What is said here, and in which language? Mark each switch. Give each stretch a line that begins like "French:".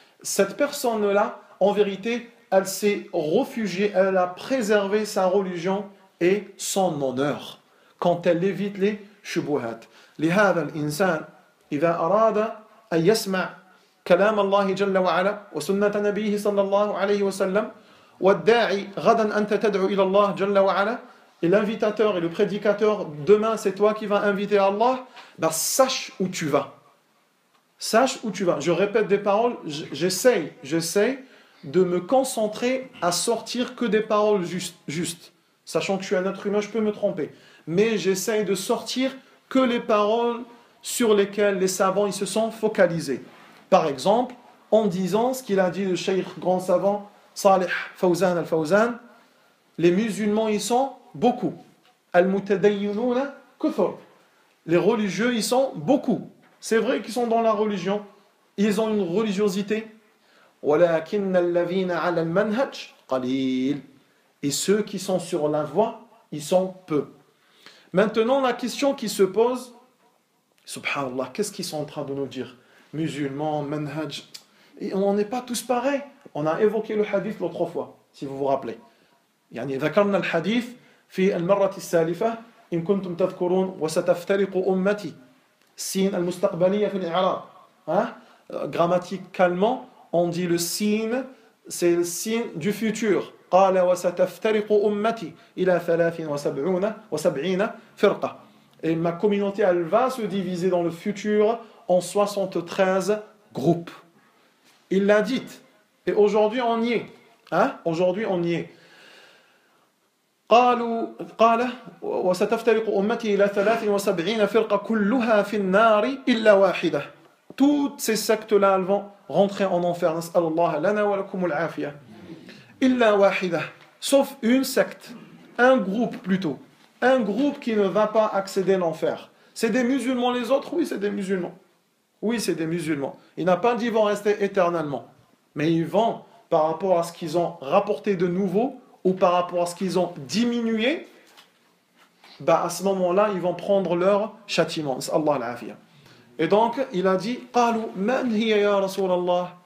French: Cette personne là, en vérité, elle s'est réfugiée, elle a préservé sa religion et son honneur quand elle évite les shubuhat.
Arabic: لهذا الإنسان إذا أراد أن يسمع كلام الله جل وعلا وسنة نبيه صلى الله عليه وسلم والداعي غدا أنت تدعو إلى الله جل وعلا,
French: et l'invitateur et le prédicateur demain c'est toi qui vas inviter Allah, ben sache où tu vas,
Arabic: sache où tu vas.
French: Je répète des paroles, j'essaye de me concentrer à sortir que des paroles justes. Sachant que je suis un être humain, je peux me tromper. Mais j'essaye de sortir que les paroles sur lesquelles les savants ils se sont focalisés. Par exemple, en disant ce qu'il a dit le cheikh grand savant, Salih Fawzan al-Fawzan, les musulmans, ils sont beaucoup.
Arabic: Al-Mutadayyinuna kuthur.
French: Les religieux, ils sont beaucoup. C'est vrai qu'ils sont dans la religion. Ils ont une religiosité.
Arabic: ولكن الذين على المنهج قليل,
French: et ceux qui sont sur la voie ils sont peu. Maintenant la question qui se pose, subhanallah, qu'est-ce qu'ils sont en train de nous dire, musulmans, manhaj, et on n'est pas tous pareils. On a évoqué le hadith l'autre fois, si vous vous rappelez,
Arabic: يعني ذكرنا الحديث في المرة السالفة إن كنتم تذكرون وستفترق أمتي سين المستقبلية في الإعراب.
French: Grammaticalement on dit le signe, c'est le signe du futur.
Arabic: قَالَ وَسَتَفْتَرِقُ أُمَّتِي إِلَى ثَلَاثٍ وَسَبْعِينَ فِرْقَةٍ.
French: Et ma communauté, elle va se diviser dans le futur en 73 groupes. Il l'a dit. Et aujourd'hui, on y est. Hein? Aujourd'hui, on y est.
Arabic: قَالَ وَسَتَفْتَرِقُ أُمَّتِي إِلَى ثَلَاثٍ وَسَبْعِينَ فِرْقَةٍ كُلُّهَا فِي النَّارِ إِلَّا وَاحِدَةٍ.
French: Toutes ces sectes-là vont rentrer en enfer.
Arabic: Nas'alallah lana wa lakum al-afiyah. Illa wahida.
French: Sauf une secte. Un groupe plutôt. Un groupe qui ne va pas accéder à l'enfer. C'est des musulmans les autres? Oui, c'est des musulmans. Oui, c'est des musulmans. Il n'a pas dit qu'ils vont rester éternellement. Mais ils vont, par rapport à ce qu'ils ont rapporté de nouveau, ou par rapport à ce qu'ils ont diminué, bah à ce moment-là, ils vont prendre leur châtiment.
Arabic: Nas'alallah al-afiyah.
French: Et donc, il a dit,
Arabic: قالوا, من هي يا رسول الله?